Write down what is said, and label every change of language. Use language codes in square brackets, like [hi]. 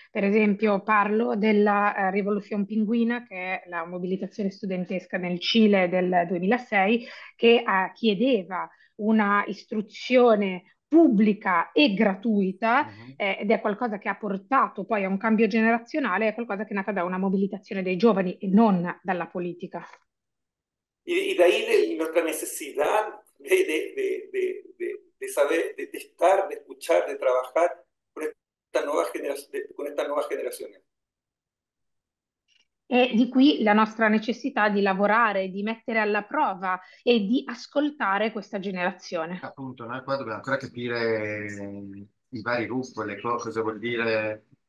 [it] Per esempio, parlo della Revolución Pingüina, che è la mobilitazione studentesca nel Cile del 2006, che chiedeva una istruzione pubblica e gratuita, ed è qualcosa che ha portato poi a un cambio generazionale, è qualcosa che è nata da una mobilitazione dei giovani e non dalla politica. [es] Y de ahí nuestra necesidad de saber, de estar, de escuchar, de trabajar con estas nuevas generaciones. con esta nueva generación. [it] E di qui la nostra necessità di lavorare, di mettere alla prova e di ascoltare questa generazione. Appunto, noi qua dobbiamo ancora capire i vari gruppi, le cose, cosa vuol dire.